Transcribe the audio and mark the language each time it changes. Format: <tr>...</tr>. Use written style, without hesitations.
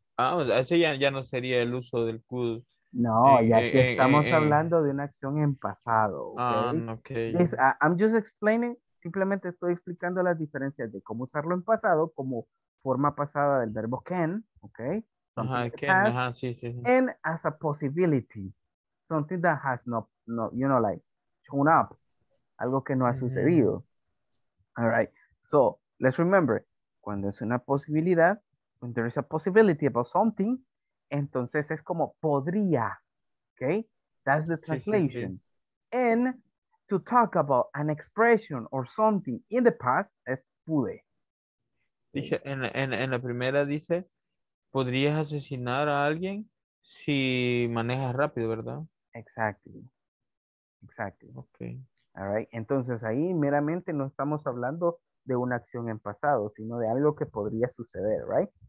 <es>Ah, ese ya no sería el uso del could. No, ya que estamos hablando de una acción en pasado.</es> <en>Okay. Yes, I'm just explaining.</en> <es>Simplemente estoy explicando las diferencias de cómo usarlo en pasado como forma pasada del verbo can.</es> <en>Okay. Something and as a possibility, something that has not, you know, like shown up,</en> <es>algo que no ha sucedido.</es> <en>All right, so let's remember,</en> <es>cuando es una posibilidad,</es> <en>when there is a possibility about something,</en> <es>entonces es como podría,</es> <en>okay? That's the translation. And to talk about an expression or something in the past</en> <es>es pude. Dice, en la primera dice, podrías asesinar a alguien si manejas rápido, ¿verdad?</es> <en>Exactly. Okay. All right.</en> <es>Entonces ahí meramente no estamos hablando de una acción en pasado, sino de algo que podría suceder, right?</es>